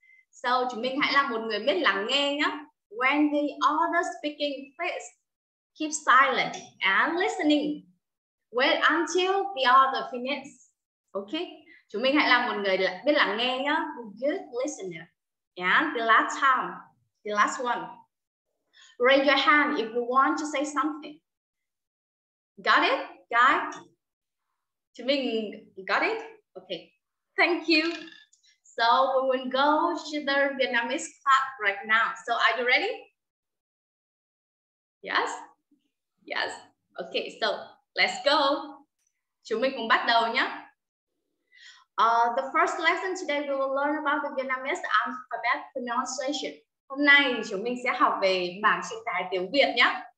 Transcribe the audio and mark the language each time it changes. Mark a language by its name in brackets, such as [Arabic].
[Vietnamese] So chúng mình hãy là một người biết lắng nghe nhé. [English] When the other speaking, please keep silent and listening. Wait until the other finish. Okay? [Vietnamese] Chúng mình hãy là một người biết lắng nghe nhé. [English] Be good listener. And the last time, the last one. Raise your hand if you want to say something. Got it, guy? [Vietnamese] Chúng mình [English] got it? Okay. Thank you. So we will go to the Vietnamese class right now. So are you ready? Yes? Yes. Okay, so let's go. [Vietnamese] Chúng mình cùng bắt đầu nhé. [English] The first lesson today, we will learn about the Vietnamese alphabet pronunciation. [Vietnamese] Hôm nay chúng mình sẽ học về bảng chữ cái tiếng Việt nhé.